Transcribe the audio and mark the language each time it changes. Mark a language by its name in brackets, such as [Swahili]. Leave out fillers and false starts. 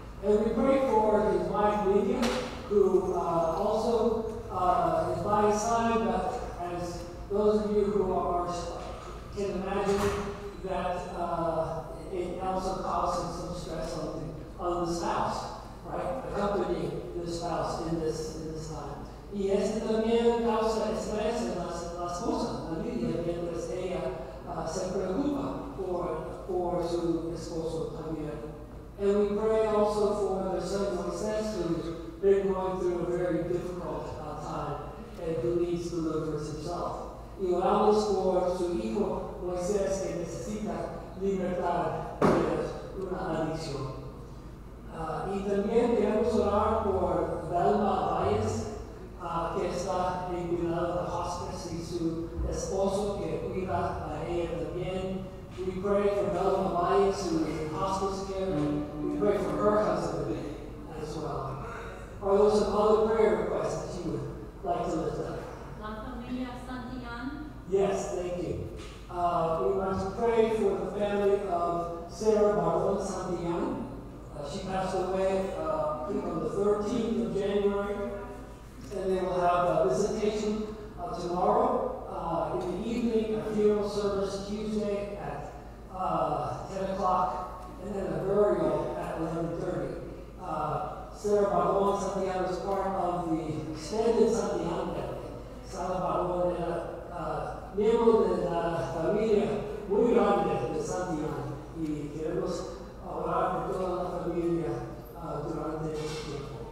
[English] And we pray for his wife Lydia, who also is by his side, but as those of you who are can imagine that it also causes some stress on the spouse, right? Accompanying the spouse in this time. [Spanish] Y este también causa estrés en la esposa, la Lidia, mientras ella se preocupa por su esposo también. [English] And we pray also for their son Moisés, who's been going through a very difficult time and who needs deliverance himself. [Spanish] Y oramos por su hijo Moisés, que necesita libertad de una adicción. Y también queremos orar por Velma Valles, que está en cuidado de hospice, y su esposo que cuida a ella también. [English] We pray for Velma Valles, who is in hospice care, and we pray for her husband as well. Are there some other prayer requests that you would like to lift up? [Spanish] La familia Santillan? [English] Yes, thank you. We want to pray for the family of Sarah Marlon Santillan. She passed away on the 13th of January, and they will have a visitation tomorrow in the evening, a funeral service Tuesday at 10 o'clock, and then a burial at 11:30. Sarah Marlon Santillan was part of the extended Santillan family. [Spanish] Sarah Marlon era miembro de la familia muy grande de Santillan, y queremos orar por toda la familia durante este tiempo.